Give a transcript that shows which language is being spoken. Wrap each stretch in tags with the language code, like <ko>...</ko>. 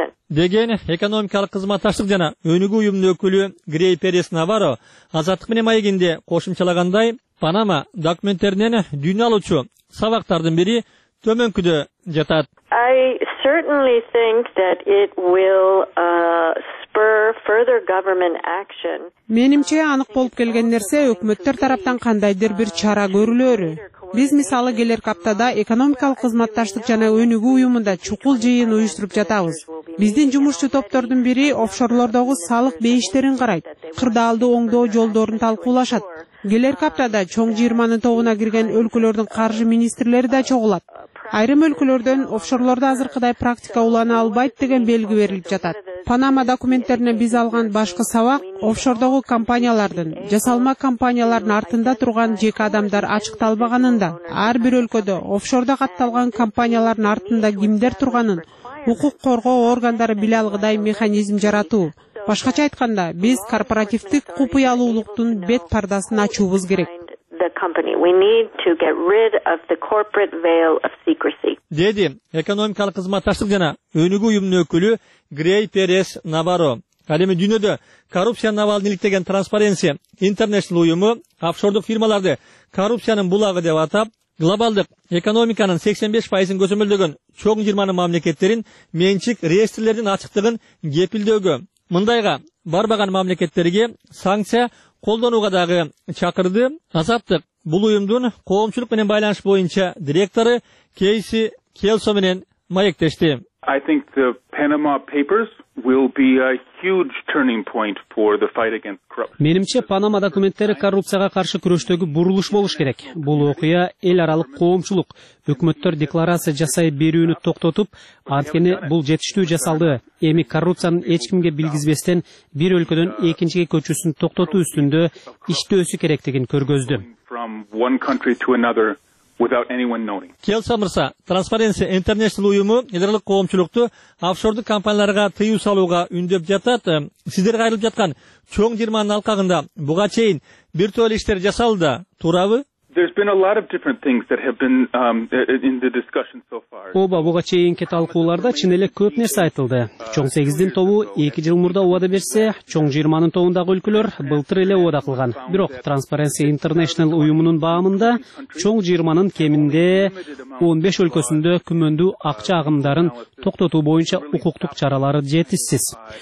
<ky>Деген экономикалык кызматташтык жана өнүгүү уюмунун өкүлү Грей Перес Наваро азаттык менен маегинде кошумчалагандай, Панама документтеринен дүйнө алуучу сабактардын бири төмөнкүдө жатат.</ky> <en>I certainly think that it will spur further government action.</en> <ky>Менимче анык болуп келген нерсе өкмөттөр тараптан кандайдыр бир чара көрүлөрү. Биз мисалы келерки аптада экономикалык кызматташтык жана өнүгүү уюмунда чукул жыйын уюштуруп жатабыз. Биздин жумушчу топтордун бири офшорлордогу салык бейиштерин карайт, кырдаалды оңдоо жолдорун талкуулашат. Келерки аптада чоң 20 тобуна кирген өлкөлөрдүн каржы министрлери да чогулат. Айрым өлкөлөрдөн офшорлордо азыркыдай практика улана албайт деген белги берилип жатат. Панама документтерине биз алган башкы сабак офшордогу компаниялардын, жасалма компаниялардын артында турган жеке адамдар ачыкталбаганында, ар бир өлкөдө офшордо катталган компаниялардын артында кимдер турганын укук коргоо органдары биле алгыдай механизм жаратуу. Башкача айтканда, биз корпоративдик купуялуулуктун бет пардасын ачуубуз керек.</ky> <en>We need to get rid of the corporate veil of secrecy.</en> <ky>Деди экономикалык кызматташтык жана өнүгүү уюмунун өкүлү Грей Перес Наваро. Ал эми дүйнөдө коррупциянын абалын иликтеген Transparency International уюму офшордук фирмаларды коррупциянын булагы деп атап, глобалдык экономиканын 85% көзөмөлдөгөн чоң 20 мамлекеттерин менчик реестрлердин ачыктыгын кепилдөөгө, мындайга барбаган мамлекеттерге санкция колдонууга дагы чакырды. Азаттык бул уюмдун коомчулук менен байланыш боюнча директору Кейси Келсо менен маектешти.</ky> <en>I think the Panama Papers will be a huge turning point for the fight against corruption.</en> <ky>Менимче Панама документтери коррупцияга каршы күрөштөгү бурулуш болуш керек. Бул окуя эл аралык коомчулук, өкмөттөр декларация жасай берүүнү токтотуп, анткени бул жетиштүү жасалды. Эми коррупциянын эч кимге билгизбестен бир өлкөдөн экинчиге көчүүсүн токтотуу үстүндө иштөөсү керектигин көргөздү.</ky> <en>Without anyone knowing.</en> <ky>Келса мырса, Transparency International уюму элдик коомчулукту офшордук компанияларга тыюу салууга үндөп жатат. Сиздер кайрылып жаткан чоң жырманын алкагында буга чейин бир тоолу иштер жасалды, туурабы?</ky> <en>There's been a lot of different things that have been in the discussion so far.</en> <ky>Ооба, буга чейинки талкууларда чын эле көп нерсе айтылды. Чоң 8дин тобу 2 жыл мурда убада берсе, чоң 20нын тобундагы өлкөлөр былтыр эле убада кылган. Бирок Transparency International уюмунун баамында чоң 20нын кеминде 15 өлкөсүндө күмөндүү акча агымдарын токтотуу боюнча укуктук чаралары жетишсиз.</ky>